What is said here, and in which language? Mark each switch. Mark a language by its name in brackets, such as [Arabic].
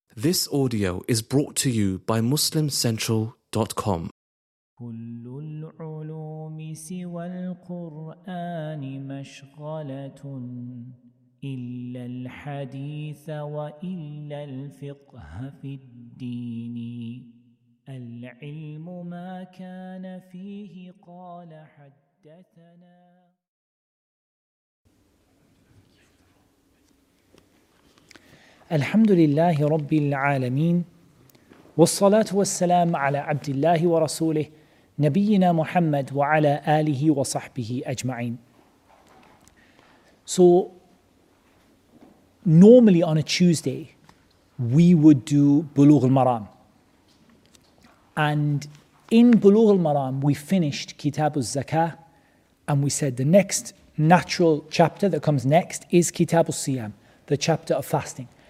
[English] This audio is brought to you by MuslimCentral.com. [Arabic] كل العلوم سوى القرآن مشغلة إلا الحديث وإلا الفقه في الدين العلم ما كان فيه قال حدثنا. الحمد لله رب العالمين والصلاة والسلام على عبد الله ورسوله نبينا محمد وعلى آله وصحبه أجمعين. [English] So normally on a Tuesday we would do Bulugh al-Maram, and in Bulugh al-Maram we finished Kitab al-Zakah, and we said the next natural chapter that comes next is Kitab al-Siyam, the chapter of fasting.